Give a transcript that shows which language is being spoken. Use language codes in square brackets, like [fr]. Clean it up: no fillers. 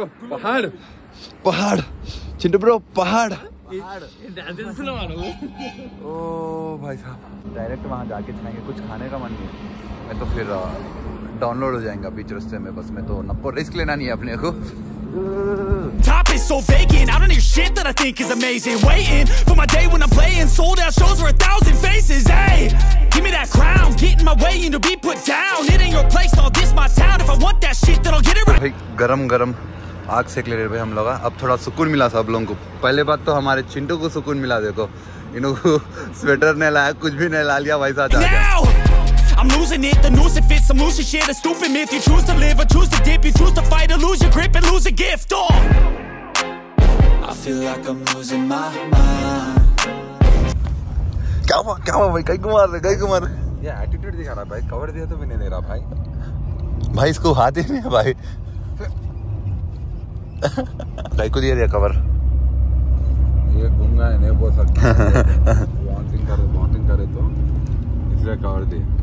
[hi] पहाड़ पहाड़ चिंटू ब्रो, पहाड़ पहाड़। ओ भाई साहब डायरेक्ट वहाँ जाके चलाएंगे, कुछ खाने का मन नहीं, मैं तो फिर डाउनलोड हो जाएगा बीच रस्ते में, बस मैं तो नपो रिस्क लेना नहीं है अपने को। [en] Top is so vacant, I don't hear shit that I think is amazing. Waiting for my day when I'm playing sold out shows for 1,000 faces. Hey, give me that crown, get in my way and you'll be put down. It ain't your place, all this my town. If I want that shit, then I'll get it right. [hi] भाई गरम गरम आग सेक ले रहे भाई हम लोग, अब थोड़ा सुकून मिला सब लोगों को। पहले बात तो हमारे चिंटू को सुकून मिला, देखो इनको स्वेटर नहीं लाया कुछ भी नहीं ला लिया भाई साहब। [en] I'm losing it, the noose it fits, some loose and shit, a stupid myth. You choose to live or choose to dip, you choose to fight or lose your grip and lose a gift. Oh. I feel like I'm losing my mind. [hi] क्या हुआ क्या हुआ भाई, कहीं घुमा रहे कहीं घुमा रहे, ये एटीट्यूड दिखा रहा भाई, कवर दिया तो भी नहीं दे रहा भाई, भाई इसको हाथ ही नहीं है भाई। भाई को दिया दिया कवर, ये गुंगा है नहीं बोल सकता। वॉन्टिंग करे वॉन्टिंग करे तो इसलिए कवर दिए।